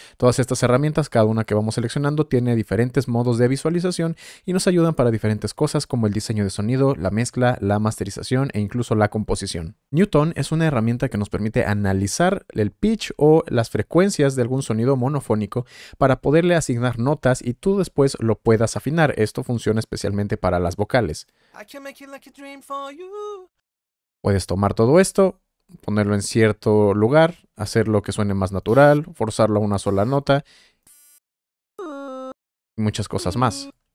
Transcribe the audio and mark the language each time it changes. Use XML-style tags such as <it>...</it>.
<es>Todas estas herramientas, cada una que vamos seleccionando, tiene diferentes modos de visualización y nos ayudan para diferentes cosas como el diseño de sonido, la mezcla, la masterización e incluso la composición. Newton es una herramienta que nos permite analizar el pitch o las frecuencias de algún sonido monofónico para poderle asignar notas y tú después lo puedas afinar. Esto funciona especialmente para las vocales.</es> <en>I can make it like a dream for you.</en> <es>Puedes tomar todo esto, ponerlo en cierto lugar, hacerlo que suene más natural, forzarlo a una sola nota y muchas cosas más.</es>